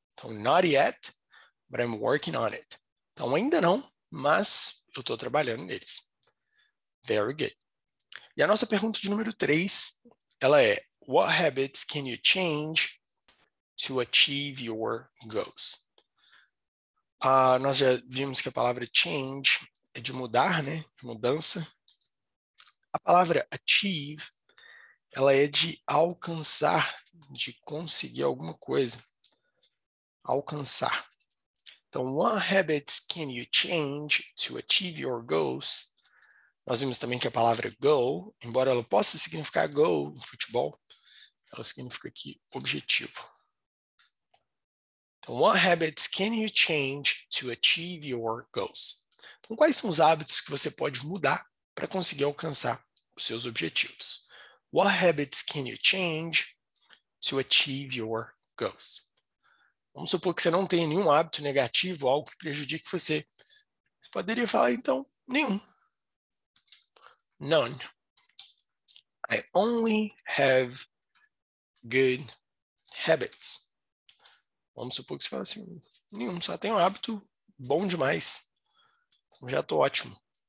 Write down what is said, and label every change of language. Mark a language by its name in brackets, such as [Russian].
[Portuguese] Então, [English] not yet, but I'm working on it. [Portuguese] Então, ainda não, mas eu estou trabalhando neles. [English] Very good. [Portuguese] E a nossa pergunta de número 3, ela é, [English] what habits can you change to achieve your goals? [Portuguese] Nós já vimos que a palavra change é de mudar, né? De mudança. A palavra achieve, ela é de alcançar, de conseguir alguma coisa. Alcançar. Então, [English] what habits can you change to achieve your goals? [Portuguese] Nós vimos também que a palavra goal, embora ela possa significar goal no futebol, ela significa aqui objetivo. Então, [English] what habits can you change to achieve your goals? [Portuguese] Então, quais são os hábitos que você pode mudar para conseguir alcançar os seus objetivos? [English] What habits can you change to achieve your goals? [Portuguese] Vamos supor que você não tenha nenhum hábito negativo, algo que prejudique você. Você poderia falar, então, nenhum. [English] None. I only have good habits. [Portuguese] Vamos supor que você fala assim, nenhum, só tenho um hábito bom demais. Já estou ótimo.